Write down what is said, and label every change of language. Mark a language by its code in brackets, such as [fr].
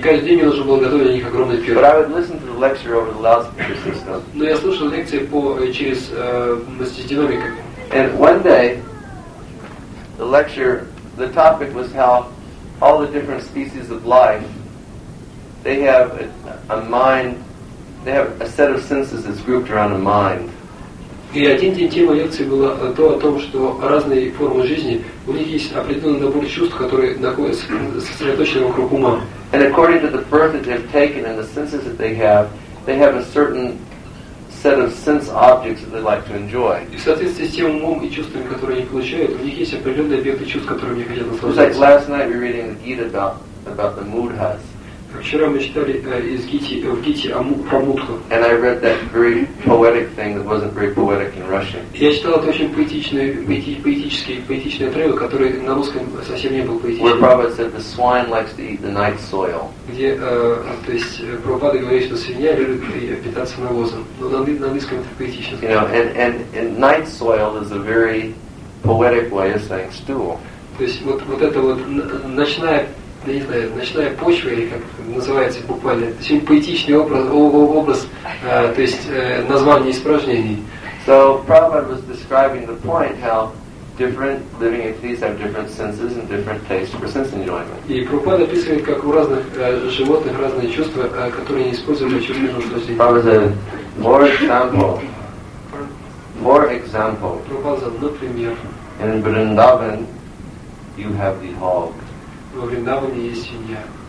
[en] But I would listen to the lecture over the loudspeaker system. And one day, the lecture, the topic was how all the different species of life, they have a mind, they have a set of senses that's grouped around a mind. [ru] И один день тема лекции была то о том, что разные формы жизни, у них есть определенный набор чувств, которые находятся сосредоточены вокруг ума. And according to the birth that they've taken and the senses that they have a certain set of sense objects that they like to enjoy. И в соответствии с тем умом и чувствами, которые они получают, у них есть определенные объекты чувств, которые они хотят наслаждаться. [en] It's like last night we were reading the Gita about the mudhas. [ru] Вчера мы читали из Гити, в Гите про мудху. [en] And I read that very poetic thing that wasn't very poetic in Russian. [ru] Я читал это очень поэтический отрывок, который на русском совсем не был поэтичным. [en] Where Prabhupada said the swine likes to eat the night soil. [ru] Где, то есть, Прабхупада говорит, что свинья любит питаться навозом. Но на английском это поэтично. [en] You know, and night soil is a very poetic way of saying stool. [ru] То есть, вот это вот ночная... Я не знаю, ночная почва, или как называется буквально, это очень поэтичный образ, то есть название испражнений. [en] So, Prabhupada was describing the point how different living entities have different senses and different tastes for sense enjoyment. [ru] И Прабхупада описывает, как у разных животных разные чувства, которые они используют для чувства наслаждения. [en] Prabhupada said, more example. [ru] Прабхупада сказал, например. [en] In Vrindavan, you have the hog. [ru] Во Вриндаване есть свинья.